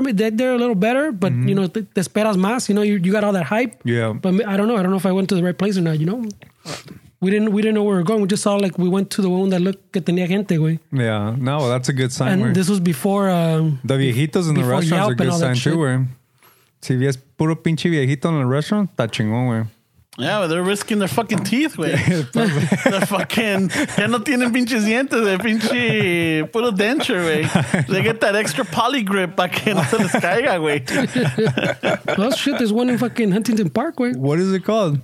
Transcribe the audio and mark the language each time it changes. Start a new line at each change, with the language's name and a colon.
English: They're a little better, but mm-hmm. You know,
Spanish: te esperas más.
English: You know, you got all that hype. Yeah. But I don't know if I went to the right place or not, you know? We didn't know where we were going. We just saw, like, we went to the one that looked
Spanish: que tenía gente, güey.
English: Yeah. No, that's a good sign. And this was before... the viejitos in the restaurant are a good sign, too, güey.
Spanish: Si ves puro pinche viejito en el restaurant, está chingón, güey.
English: Yeah, but they're risking their fucking teeth, güey. They're fucking...
Spanish: Ya no tienen pinches dientes, de pinche... Puro denture, güey.
English: They get that extra poly grip
Spanish: para que no se les caiga, güey.
English: Well, shit, there's one in fucking Huntington Park, güey. What is it called?